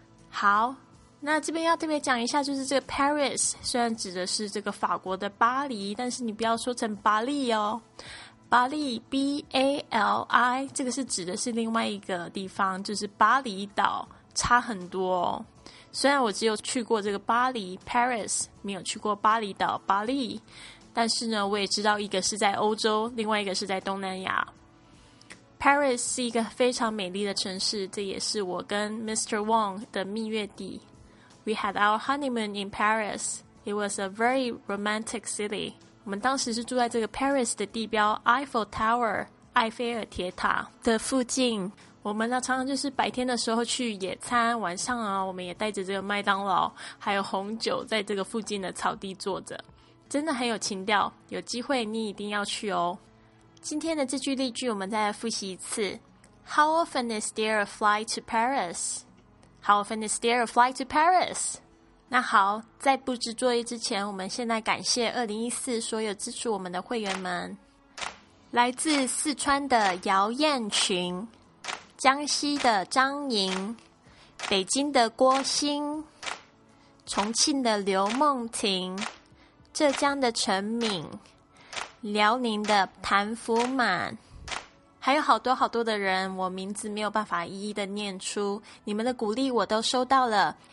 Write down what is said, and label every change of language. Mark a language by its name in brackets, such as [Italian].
[Chinese] 好，那这边要特别讲一下，就是这个 Paris 虽然指的是这个法国的巴黎，但是你不要说成巴黎哦，巴黎 B-A-L-I 这个是指的是另外一个地方，就是巴厘岛，差很多哦。虽然我只有去过这个巴黎 Paris， 没有去过巴厘岛巴黎，但是呢我也知道一个是在欧洲，另外一个是在东南亚。 Paris 是一个非常美丽的城市，这也是我跟 Mr. Wong 的蜜月地。 [English] We had our honeymoon in Paris. It was a very romantic city. [Chinese] 我们当时是住在这个 Paris 的地标 Eiffel Tower 埃菲尔铁塔的附近。我们呢常常就是白天的时候去野餐，晚上啊我们也带着这个麦当劳还有红酒在这个附近的草地坐着，真的很有情调，有机会你一定要去哦。今天的这句例句我们再来复习一次。 [English] How often is there a flight to Paris? How often is there a flight to Paris? [Chinese] 那好，在布置作业之前，我们现在感谢2014所有支持我们的会员们。来自四川的姚燕群，江西的张莹，北京的郭欣，重庆的刘梦婷，浙江的陈敏，辽宁的谭福满，还有好多好多的人，我名字没有办法一一的念出，你们的鼓励我都收到了。